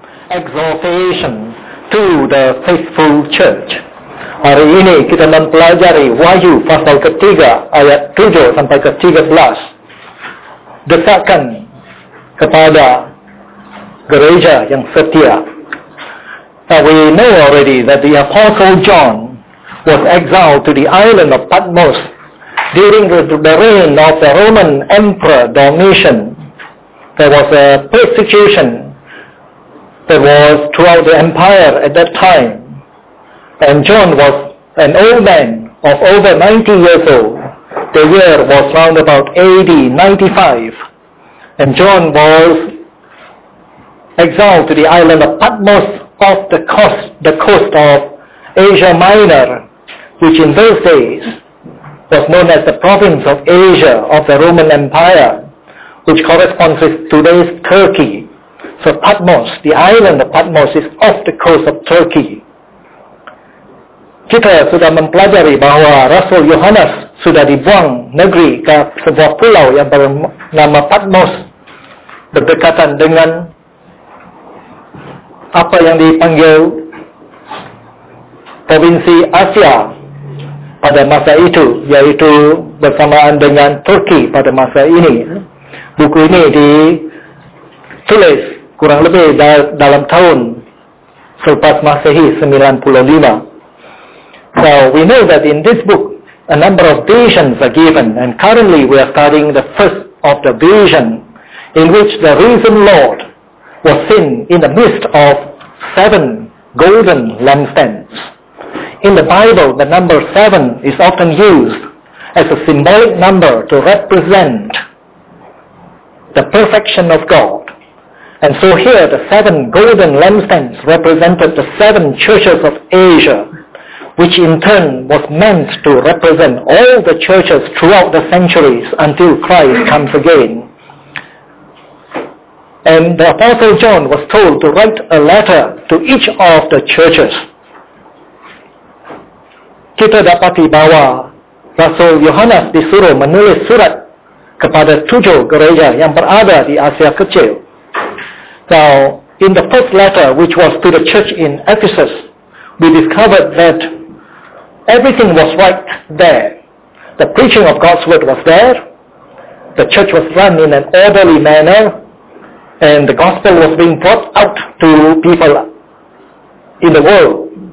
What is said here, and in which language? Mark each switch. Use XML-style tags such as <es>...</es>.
<en>exhortation to the faithful church.</en> <id>Hari ini kita mempelajari Wahyu pasal ketiga ayat 7 sampai ke 13. Desakan kepada gereja yang setia.</id> <en>Now we know already that the Apostle John was exiled to the island of Patmos during the reign of the Roman Emperor Domitian. There was a persecution that was throughout the empire at that time. And John was an old man of over 90 years old. The year was round about AD 95. And John was exiled to the island of Patmos off the coast of Asia Minor, which in those days was known as the province of Asia of the Roman Empire, which corresponds with today's Turkey. So Patmos, the island of Patmos, is off the coast of Turkey.</en> <id>Kita sudah mempelajari bahwa Rasul Yohanes sudah dibuang negeri ke sebuah pulau yang bernama Patmos, berdekatan dengan apa yang dipanggil provinsi Asia pada masa itu, yaitu bersamaan dengan Turki pada masa ini. Buku ini ditulis kurang lebih dalam tahun selepas Masehi 95.</id> <en>So we know that in this book a number of visions are given, and currently we are studying the first of the vision, in which the risen Lord was seen in the midst of seven golden lampstands. In the Bible, the number seven is often used as a symbolic number to represent the perfection of God. And so here, the seven golden lampstands represented the seven churches of Asia, which in turn was meant to represent all the churches throughout the centuries until Christ comes again. And the Apostle John was told to write a letter to each of the churches.</en> <id>Kita dapati bahwa Rasul Yohanes disuruh menulis surat kepada tujuh gereja yang berada di Asia Kecil.</id> <en>Now, in the first letter, which was to the church in Ephesus, we discovered that everything was right there. The preaching of God's word was there. The church was run in an orderly manner. And the gospel was being brought out to people in the world.</en>